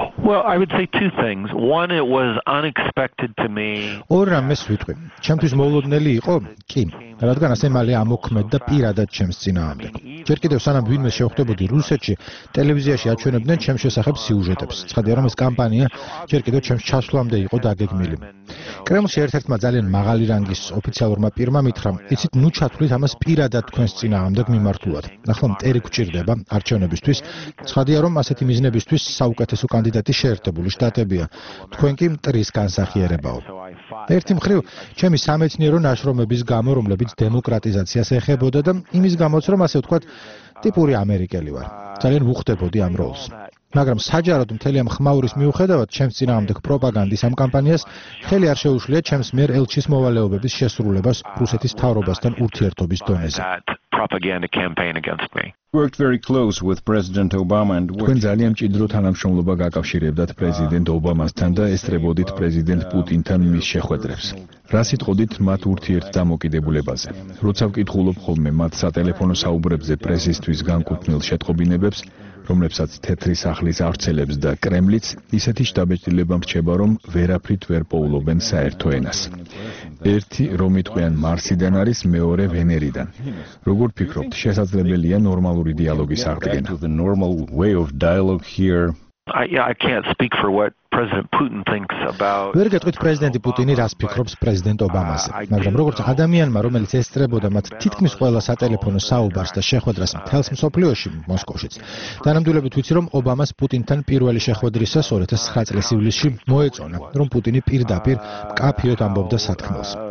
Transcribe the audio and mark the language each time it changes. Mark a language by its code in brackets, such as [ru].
[en] Well, I would say two things. One, it was unexpected to me. [ka] ორი ამას ვიტყვი. ჩემთვის მოულოდნელი იყო, კი, რადგან ასე მალე ამოქმედდა პირადად ჩემს ძინაამდე. ჯერ კიდევ სანამ ვინმე შეხვდებოდი რუსეთში, ტელევიზიაში აჩვენებდნენ ჩემს შესახებ სიუჟეტებს. ცხადია, რომ ეს კამპანია ჯერ კიდევ ჩემს ჩასვლამდე იყო დაგეგმილი. კრემლში ერთ-ერთმა ძალიან მაღალი რანგის ოფიციალურმა პირმა მითხრა, იცით, ნუ ჩათვლით ამას პირადად თქვენს ძინაამდე მიმართულად. ახლა მტერი გვჭირდება არჩევნებისთვის. ცხადია, რომ ასეთი მიზნებისთვის საუკეთესო კანდიდატი შეერთებული შტატებია. თქვენ კი მტრის განსახიერებაო. ერთი მხრივ, ჩემი სამეცნიერო ნაშრომების გამო, რომლებიც დემოკრატიზაციას ეხებოდა და იმის გამოც, რომ ასე ვთქვათ, ტიპური ამერიკელი ვარ. ძალიან ვუხდებოდი ამ როლს. მაგრამ საჯაროდ მთელი ამ ხმაურის მიუხედავად, ჩემს წინააღმდეგ პროპაგანდის ამ კამპანიას ხელი არ შეუშლია ჩემს მიერ ელჩის მოვალეობების შესრულებას რუსეთის მთავრობასთან ურთიერთობის დონეზე. [en] Propaganda campaign against me. Worked very close with President Obama and [ka] თქვენ ძალიან მჭიდრო თანამშრომლობა გაკავშირებდათ პრეზიდენტ ობამასთან და ესწრებოდით პრეზიდენტ პუტინთან მის შეხვედრებს. რა სიტყვით მათ ურთიერთ დამოკიდებულებაზე? როცა ვკითხულობ ხოლმე მათ სატელეფონო საუბრებზე პრესისთვის განკუთვნილ შეტყობინებებს, რომლებსაც თეთრი სახლის არცელებს და კრემლიც, ისეთი შდაბეჭდილება მრჩება, რომ ვერაფრით ვერ პოულობენ საერთო ენას. ერთი რომ იტყვიან მარსიდან არის, მეორე ვენერიდან. როგორ ფიქრობთ, შესაძლებელია ნორმალური დიალოგის აღდგენა? [en] I can't speak for what President Putin thinks about [ka] ვერგეთ პრეზიდენტი პუტინი რას ფიქრობს პრეზიდენტ ობამაზე, მაგრამ როგორც ადამიანმა, რომელიც ესწრებოდა მათ თითქმის ყველა სატელეფონო საუბარს და შეხვედრას მთელს მსოფლიოში, მოსკოვშიც, დანამდვილებით ვიცი, რომ ობამას პუტინთან პირველი შეხვედრისას 2009 წლის ივლისში მოეწონა, რომ პუტინი პირდაპირ კაფიოთ ამბობდა სათქმელს.